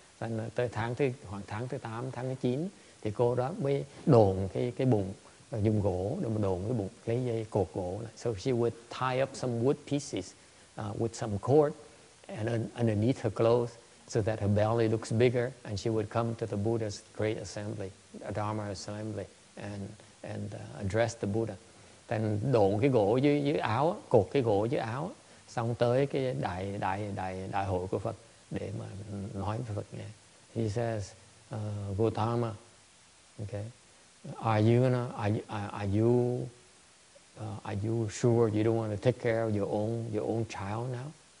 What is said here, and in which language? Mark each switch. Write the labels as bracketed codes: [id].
[vi] Và tới khoảng tháng thứ 8, tháng thứ 9 thì cô đó mới đồn cái bụng, dùng gỗ để mà đồn cái bụng, lấy dây cột gỗ. [en] So she would tie up some wood pieces with some cord and underneath her clothes, so that her belly looks bigger, and she would come to the Buddha's great assembly, a Dharma assembly, and address the Buddha. [vi] Then đồn cái gỗ dưới áo, cột cái gỗ dưới áo, xong tới cái đại hội của Phật để mà nói với Phật nghe. [en] He says, Gautama, okay, are you sure you don't want to take care of your own child now?